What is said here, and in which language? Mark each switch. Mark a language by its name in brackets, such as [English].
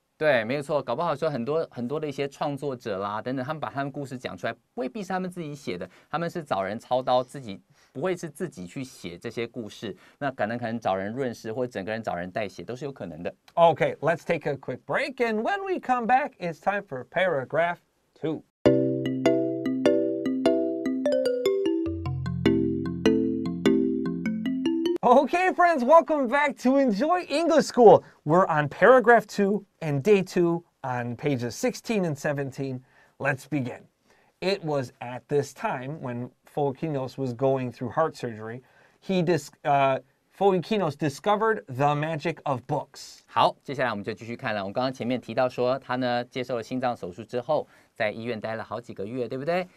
[Chinese] 对，没有错，搞不好说很多很多的一些创作者啦等等，他们把他们故事讲出来，未必是他们自己写的，他们是找人操刀，自己不会是自己去写这些故事，那可能找人润饰，或整个人找人代写，都是有可能的。 [English] Okay, let's take a quick break, and when we come back, it's time for paragraph two. Okay, friends, welcome back to Enjoy English School. We're on paragraph two. And day two on pages 16 and 17. Let's begin. It was at this time when Folikinos was going through heart surgery. Folikinos discovered the magic of books. [Chinese] 好，接下来我们就继续看了。我刚刚前面提到说，他呢接受了心脏手术之后，在医院待了好几个月，对不对？